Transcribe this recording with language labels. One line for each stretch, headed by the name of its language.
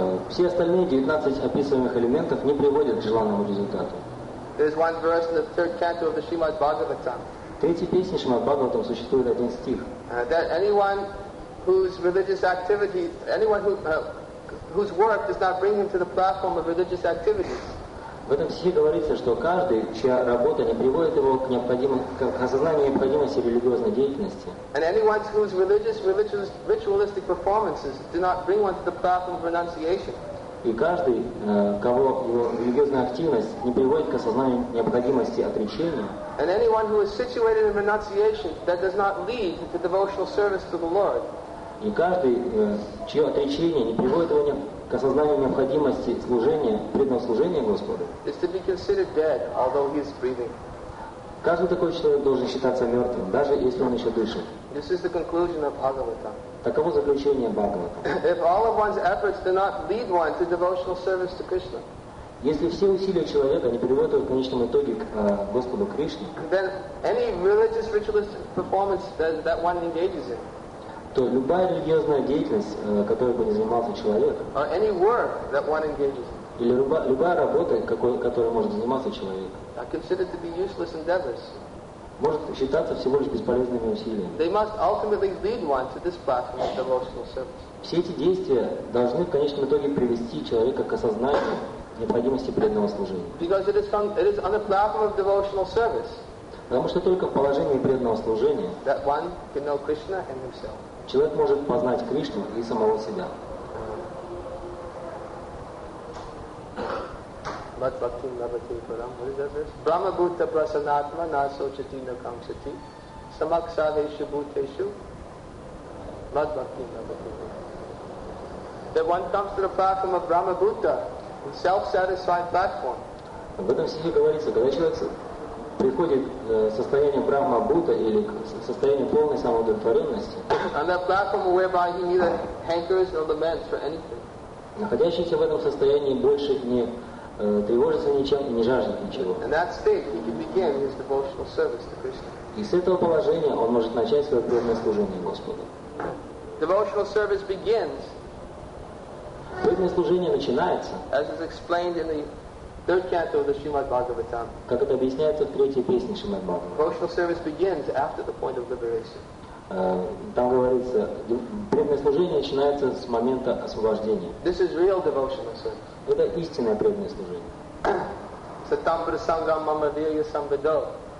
Russian: Все остальные 19 описываемых элементов не приводят к желанному результату.
English: There's one verse in the third canto of the Srimad Bhagavatam.
Russian: В третьей песне Шримад Бхагаватам существует один стих.
English: That anyone whose religious activity, anyone who, whose work does not bring him to the platform of religious activities.
Russian: В этом стихе говорится, что каждый, чья работа не приводит его к необходимому, к осознанию необходимости религиозной деятельности.
English: And anyone whose religious ritualistic performances do not bring one to the platform of renunciation.
Russian: И каждый, кого его религиозная активность не приводит к осознанию необходимости отречения.
English: And anyone who is situated in renunciation that does not lead to devotional service to the Lord.
Russian: И каждый, чье отречение не приводит его к осознанию необходимости служения, преданного служения Господу.
English: Is to be considered dead, although he is breathing.
Russian: Каждый такой человек должен считаться мертвым, даже если он еще дышит.
English: This is the conclusion of Bhagavata.
Russian: Таково заключение Бхагавата.
English: If all of one's efforts do not lead one to devotional service to Krishna.
Russian: Если все усилия человека не приводят его в конечном итоге к Господу Кришне.
English: Then any religious ritualistic performance that one engages in.
Russian: То любая религиозная деятельность, которой бы не занимался человек.
English: Or any work that one engages in.
Russian: Или любая работа, которой может заниматься человек.
English: Are considered to be useless endeavors.
Russian: Может считаться всего лишь бесполезными усилиями.
English: They must ultimately lead one to this platform of devotional service.
Russian: Все эти действия должны в конечном итоге привести человека к осознанию необходимости преданного служения.
English: Because it is on the platform of devotional service.
Russian: Потому что только в положении преданного служения
English: that one can know Krishna and himself.
Russian: Человек может познать Кришну и самого себя.
Sanskrit: Mat bhaktim lavati param.
English: What is that verse?
Sanskrit: Brahma bhuta prasanatma naso chitina kamsati samaksadeshu bhuteshu mat bhaktim lavati param.
English: That one comes to the platform of Brahma bhuta, the self-satisfied platform.
Russian: В этом стихе говорится, когда человек приходит в состояние Брахма Бхута или к состоянию полной самоудовлетворенности,
English: on that platform whereby he neither hankers nor laments for anything.
Russian: Находящийся в этом состоянии больше не тревожится ничем и не жаждет ничего.
English: In that state he can begin his devotional service to Krishna.
Russian: И с этого положения он может начать свое преданное служение Господу.
English: Devotional service begins.
Russian: Преданное служение начинается.
English: As is explained in the third canto of the Srimad Bhagavatam.
Russian: Как это объясняется в третьей песне Шримад Бхагаватам.
English: Devotional service begins after the point of liberation.
Russian: Там говорится, преданное служение начинается с момента освобождения.
English: This is real devotional service.
Russian: Это истинное преданное служение.
Sanskrit: Сатам прасангам мама вирья самбадо.